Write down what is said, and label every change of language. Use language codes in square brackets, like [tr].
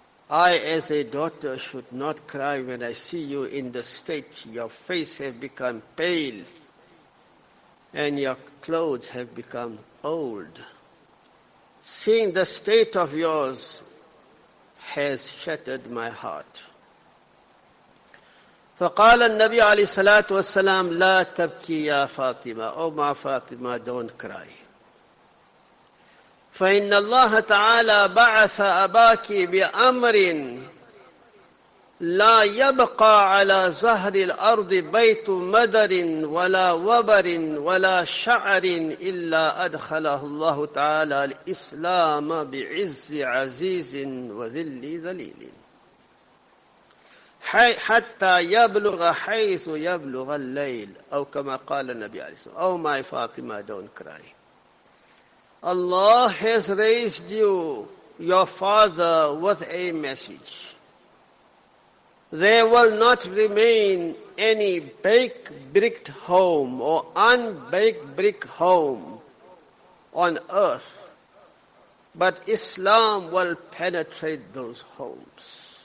[en] I, as a daughter, should not cry when I see you in the state. Your face has become pale and your clothes have become old. Seeing the state of yours has shattered my heart. [ar] فقال النبي عليه الصلاة والسلام لا تبكي يا فاطمة. [en] Oh my Fatima, don't cry. [ar] فَإِنَّ اللَّهَ تَعَالَى بَعَثَ أَبَاكِ بِأَمْرٍ لَا يَبْقَى عَلَى زَهْرِ الْأَرْضِ بَيْتُ مَدَرٍ وَلَا وَبَرٍ وَلَا شَعَرٍ إِلَّا أَدْخَلَهُ اللَّهُ تَعَالَى الْإِسْلَامَ بِعِزِّ عَزِيزٍ وَذِلِّ ذَلِيلٍ حَتَّى يَبْلُغَ حَيْثُ يَبْلُغَ اللَّيْلِ. أو كما قال النبي عليه الصلاة والسلام, [en] Oh my Fatima, don't cry. Allah has raised you, your father, with a message. There will not remain any baked bricked home or unbaked brick home on earth, but Islam will penetrate those homes.